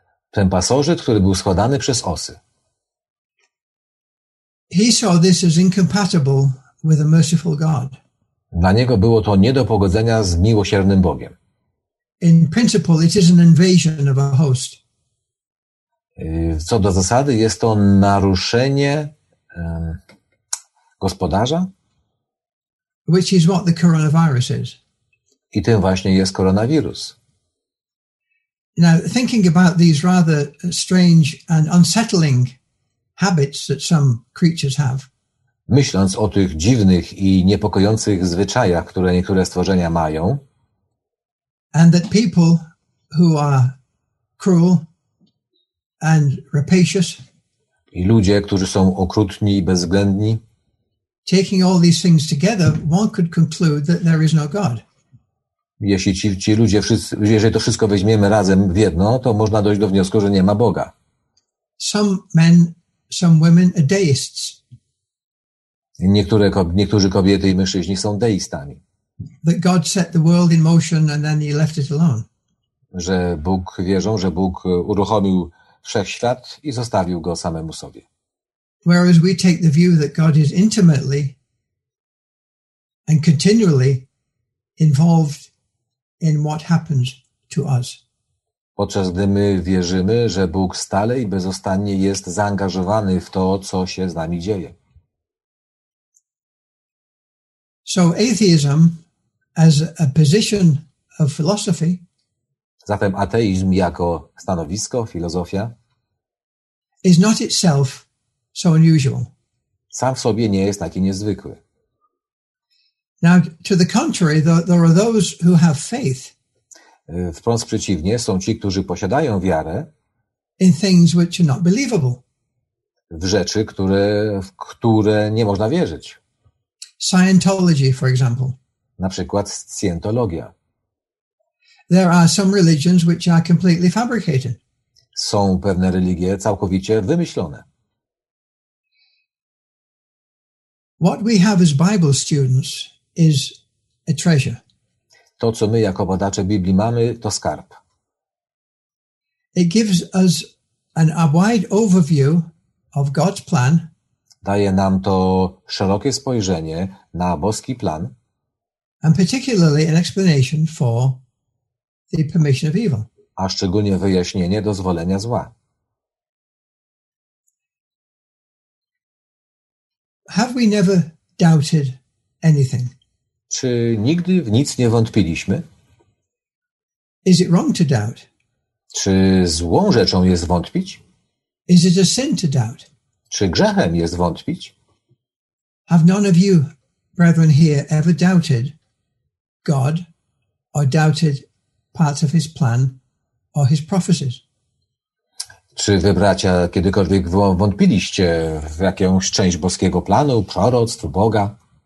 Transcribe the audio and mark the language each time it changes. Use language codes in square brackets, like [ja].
[pl] Ten pasożyt, który był składany przez osy. [en] He saw this as incompatible with a merciful God. [pl] Dla niego było to nie do pogodzenia z miłosiernym Bogiem. [en] In principle, it is an invasion of a host. [pl] Co do zasady, jest to naruszenie gospodarza. [en] Which is what the coronavirus is. [pl] I tym właśnie jest koronawirus. [en] Now, thinking about these rather strange and unsettling habits that some creatures have. [pl] Myśląc o tych dziwnych i niepokojących zwyczajach, które niektóre stworzenia mają. [en] And that people who are cruel and rapacious. [pl] I ludzie, którzy są okrutni i bezwzględni. [en] Taking all these things together, one could conclude that there is no God. [pl] Jeśli ci ludzie wszyscy, jeżeli to wszystko weźmiemy razem w jedno, to można dojść do wniosku, że nie ma Boga. [en] Some men, some women are deists. [pl] Niektórzy kobiety i mężczyźni są deistami. [en] That God set the world in motion and then he left it alone. [pl] Że Bóg wierzą, że Bóg uruchomił wszechświat i zostawił go samemu sobie. [en] Whereas we take the view that God is intimately and continually involved in what happens to us. [pl] Podczas gdy my wierzymy, że Bóg stale i bezostannie jest zaangażowany w to, co się z nami dzieje. [en] So atheism as a position of philosophy. [pl] Zatem ateizm jako stanowisko, filozofia. [en] Is not itself so unusual. [pl] Sam w sobie nie jest taki niezwykły. [en] Now, to the contrary, there are those who have faith. [pl] Wprost przeciwnie, są ci, którzy posiadają wiarę. [en] In things which are not believable. [pl] W rzeczy, które nie można wierzyć. [en] Scientology, for example. [pl] na przykład Scientologia. [en] There are some religions which are completely fabricated. [pl] Są pewne religie całkowicie wymyślone. [en] What we have as Bible students is a treasure. [pl] To, co my jako badacze Biblii mamy, to skarb. [en] It gives us a wide overview of God's plan. [pl] Daje nam to szerokie spojrzenie na boski plan. [en] And particularly an explanation for the permission of evil. [pl] A szczególnie wyjaśnienie dozwolenia zła. [en] Have we never doubted anything? [pl] Czy nigdy w nic nie wątpiliśmy? [en] Is it wrong to doubt? [pl] Czy złą rzeczą jest wątpić? [en] Is it a sin to doubt? [pl] Czy grzechem jest wątpić? [en] Have none of you, brethren here, ever doubted God or doubted parts of his plan or his prophecies? [pl] Czy wy, bracia, kiedykolwiek wątpiliście w jakąś część boskiego planu, proroctw, Boga?